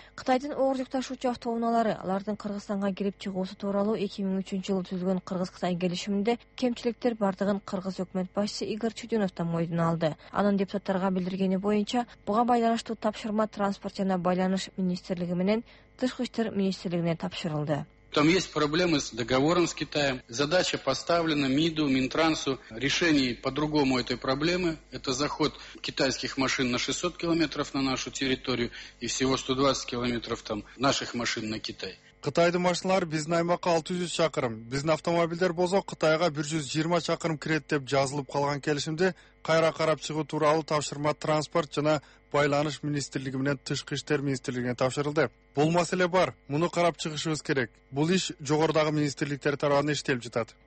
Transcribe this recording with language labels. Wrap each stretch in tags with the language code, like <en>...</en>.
<ky>Кытайдын оор жүк ташуучу автоунаалары алардын Кыргызстанга кирип чыгуусу тууралуу 2003-жылы түзүлгөн Кыргыз-Кытай келишиминде кемчиликтер бардыгын кыргыз өкмөт башчысы Игорь Чудиновдон мойдун алды. Анын депутаттарга билдиргени боюнча, буга байланыштуу тапшырма транспорт жана байланыш министрлиги менен тышкы иштер министрлигине тапшырылды.</ky> <ru>Там есть проблемы с договором с Китаем. Задача поставлена МИДу, Минтрансу. Решение по-другому этой проблемы. Это заход китайских машин на 600 километров на нашу территорию и всего 120 километров там наших машин на Китай.</ru> <ky>Кытайдын машиналары биздин аймакка 600 чакырым, биздин автомобилдер болсо Кытайга 120 чакырым кирет деп жазылып калган келишимди кайра карап чыгуу тууралуу тапшырма транспорт жана байланыш министрлиги менен тышкы иштер министрлигине тапшырылды. Бул маселе бар, муну карап чыгышыбыз керек. Бул иш жогорудагы министрликтер тарабынан иштелип жатат.</ky>